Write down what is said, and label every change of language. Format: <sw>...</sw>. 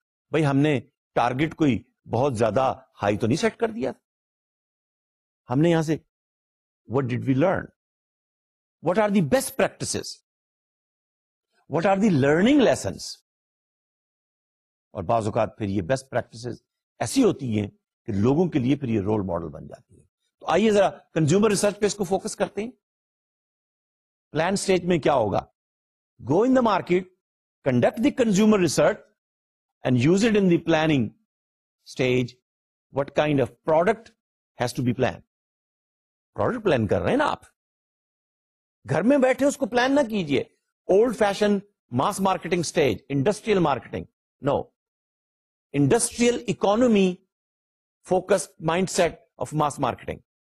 <ur>بھائی ہم نے ٹارگیٹ کوئی بہت زیادہ ہائی تو نہیں سیٹ کر دیا, ہم نے یہاں سے</ur> <en>what did we learn, what are the best practices, what are the learning lessons.</en> <ur>اور بعض اوقات پھر یہ best practices ایسی ہوتی ہیں کہ لوگوں کے لیے پھر یہ role model بن جاتی ہے. تو آئیے ذرا consumer research پہ اس کو focus کرتے ہیں.</ur> <en>Plan stage</en> <ur>میں کیا ہوگا,</ur> <en>go in the market, conduct the consumer research and use it in the planning stage, what kind of product has to be planned.</en> <ur>Product plan کر رہے ہیں نا آپ, گھر میں بیٹھے اس کو پلان نہ کیجئے.</ur> <en>Old fashion mass marketing stage, industrial marketing, no. Industrial economy focus mind set of mass marketing.</en>